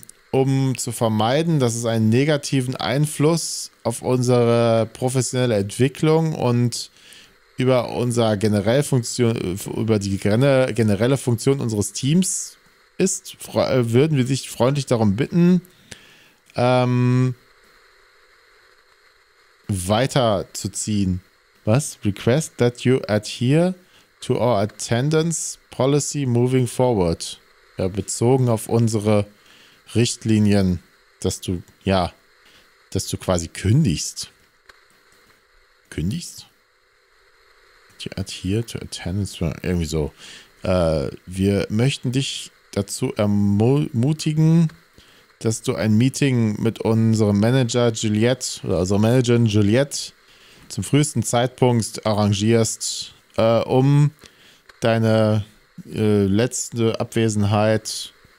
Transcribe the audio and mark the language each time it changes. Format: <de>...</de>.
<de>Um zu vermeiden, dass es einen negativen Einfluss auf unsere professionelle Entwicklung und über die generelle Funktion unseres Teams ist, würden wir dich freundlich darum bitten, weiterzuziehen. Was?</de> <en>Request that you adhere to our attendance policy moving forward.</en> <de>Ja, bezogen auf unsere Richtlinien, dass du quasi kündigst. Kündigst?</de> <en>You adhere to attendance,</en> <de>irgendwie so. Wir möchten dich dazu ermutigen, dass du ein Meeting mit unserem Manager Juliette, oder unserer Managerin Juliette, zum frühesten Zeitpunkt arrangierst, um deine letzte Abwesenheit</de>